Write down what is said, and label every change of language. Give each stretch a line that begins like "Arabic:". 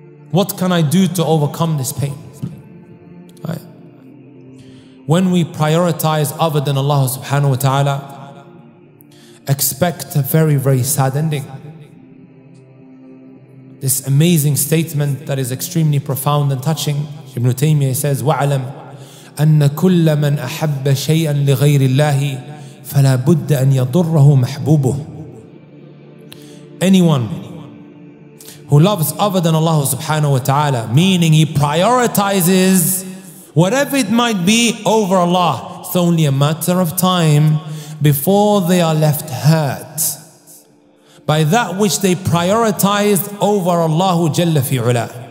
English: What can I do to overcome this pain? Right. When we prioritize other than Allah subhanahu wa ta'ala, expect a very, very sad ending. This amazing statement that is extremely profound and touching. Ibn Taymiyyah says,
Arabic: وَعَلَمْ أَنَّ كُلَّ مَنْ أَحَبَّ شَيْئًا لِغَيْرِ اللَّهِ فَلَا بُدَّ أَنْ يَضُرَّهُ مَحْبُوبُهُ.
English: Anyone who loves other than Allah subhanahu wa ta'ala, meaning he prioritizes whatever it might be over Allah, it's only a matter of time before they are left hurt by that which they prioritized over Allahu Jalla fi ula.